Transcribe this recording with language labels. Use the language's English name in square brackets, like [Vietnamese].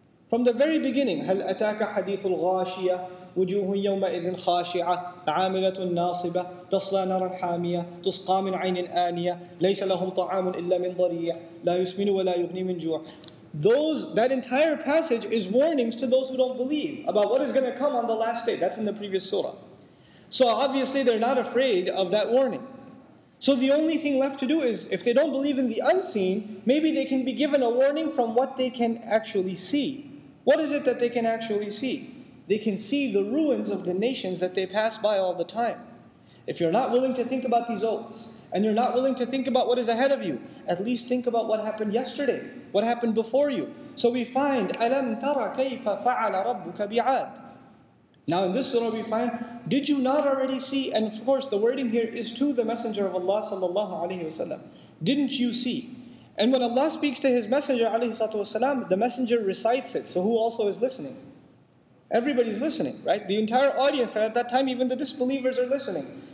[English] From the very beginning, [Arabic] هَلْ أَتَاكَ حَدِيثُ الْغَاشِيَةِ وُجُوهٌ يَوْمَئِذٍ خَاشِعَةٌ عَامِلَةٌ نَاصِبَةٌ تَصْلَى نَارًا حَامِيَةٌ تُسْقَى مِنْ عَيْنٍ آنِيَةٍ لَيْسَ لَهُمْ طَعَامٌ إِلَّا مِنْ ضَرِيعٍ لَا يُسْمِنُ وَلَا يُغْنِي مِنْ جُوعٍ. [English] That entire passage is warnings to those who don't believe about what is going to come on the last day. That's in the previous surah. So obviously they're not afraid of that warning. So the only thing left to do is, if they don't believe in the unseen, maybe they can be given a warning from what they can actually see. What is it that they can actually see? They can see the ruins of the nations that they pass by all the time. If you're not willing to think about these oaths, and you're not willing to think about what is ahead of you, at least think about what happened yesterday, what happened before you. So we find, [Arabic] أَلَمْ تَرَ كَيْفَ فَعَلَ رَبُّكَ بِعَادٍ. [English] Now in this surah we find, did you not already see, and of course the wording here is to the Messenger of Allah sallallahu alayhi wa sallam, didn't you see? And when Allah speaks to His Messenger alayhi salatu wasalam, the Messenger recites it, so who also is listening? Everybody's listening, right? The entire audience at that time, even the disbelievers are listening.